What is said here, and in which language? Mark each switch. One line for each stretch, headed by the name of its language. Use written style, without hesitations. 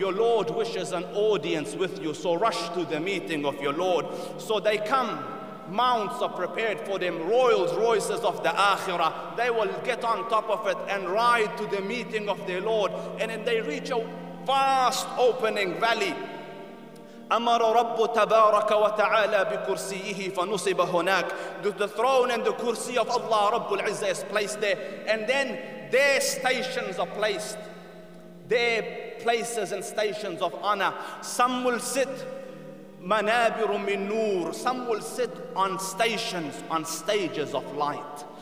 English: Your Lord wishes an audience with you, so rush to the meeting of your Lord. So they come. Mounts are prepared for them, Rolls Royces of the Akhirah. They will get on top of it and ride to the meeting of their Lord. And then they reach a vast opening valley.
Arabic: أمر رب تبارك وتعالى بكرسيه فنصب هناك.
English: The throne and the kursi of Allah
Arabic: رب العزة
English: is placed there. And then their stations are placed. Their places and stations of honor. Some will sit.
Arabic: Manabir min noor.
English: Some will sit on stations, on stages of light.